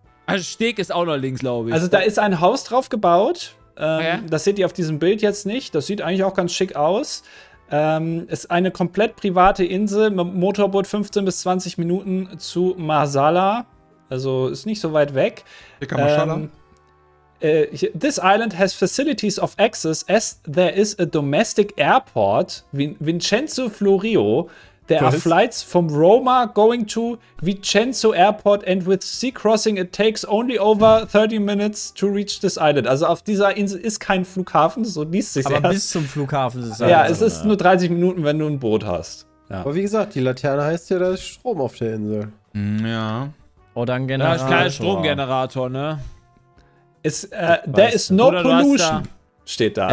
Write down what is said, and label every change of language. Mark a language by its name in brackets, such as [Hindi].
[German] Also Steg ist auch noch links, glaube ich. Also da ist ein Haus drauf gebaut. Das seht ihr auf diesem Bild jetzt nicht. Das sieht eigentlich auch ganz schick aus. Ist eine komplett private Insel mit Motorboot 15 bis 20 Minuten zu Marsala. Also ist nicht so weit weg. [English] This island has facilities of access as there is a domestic airport, Vincenzo Florio. There are flights from Roma going to Vincenzo Airport and with sea crossing it takes only over 30 minutes to reach this island. [German] Also auf dieser Insel ist kein Flughafen, so liest sich aber erst. Bis zum Flughafen ist es ja. Ja, es ist nur 30 Minuten, wenn du ein Boot hast. Ja. Aber wie gesagt, die Laterne heißt ja, da ist Strom auf der Insel. Ja. Oder ein Generator. Da ist kein Stromgenerator, ne? [English] There is no pollution, [German] steht da.